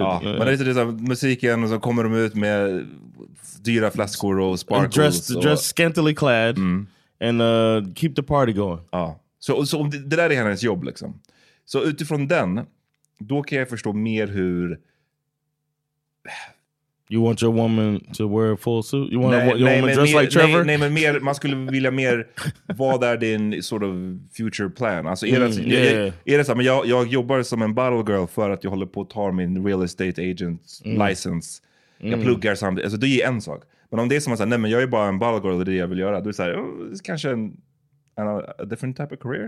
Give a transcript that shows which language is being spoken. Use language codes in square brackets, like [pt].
[sv] Ja, men det är lite musiken och så kommer de ut med dyra flaskor och sparkles. [en] Dressed scantily clad and keep the party going. [sv] Ja, så det där är hennes jobb liksom. Så utifrån den, då kan jag förstå mer hur... [en] You want your woman to wear a full suit? You want your woman dressed like Trevor? [sv] Nej, men mer, man skulle vilja mer vad är din [en] sort of future plan? [sv] Alltså, jag jobbar som en bottle girl för att jag håller på att ta min [en] real estate agent license. [sv] Jag pluggar samtidigt. Alltså, det är en sak. Men om det är som att säga, nej, men jag är bara en bottle girl, det är det jag vill göra. Då är det så här, oh, kanske [en] a different type of career.